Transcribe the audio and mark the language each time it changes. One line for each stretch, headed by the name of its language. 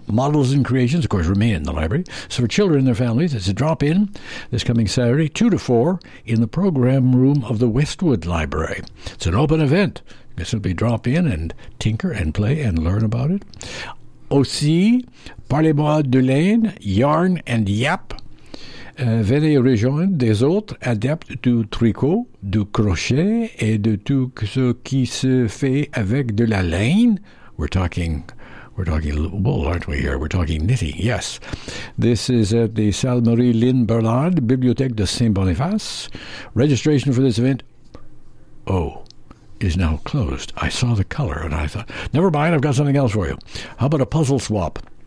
English: Models and creations, of course, remain in the library. So for children and their families, it's a drop-in this coming Saturday, 2 to 4, in the program room of the Westwood Library. It's an open event. This will be drop-in and tinker and play and learn about it.
French: Aussi, Parlez-moi de Laine, Yarn and Yap. Venez rejoindre des autres adeptes du tricot, du crochet, et de tout ce qui se fait avec de la laine.
English: We're talking wool, aren't we here? We're talking knitting, yes. This is at the Salmerie Lynn Bernard, Bibliothèque de Saint-Boniface. Registration for this event, is now closed. I saw the color and I thought, never mind, I've got something else for you. How about a puzzle swap?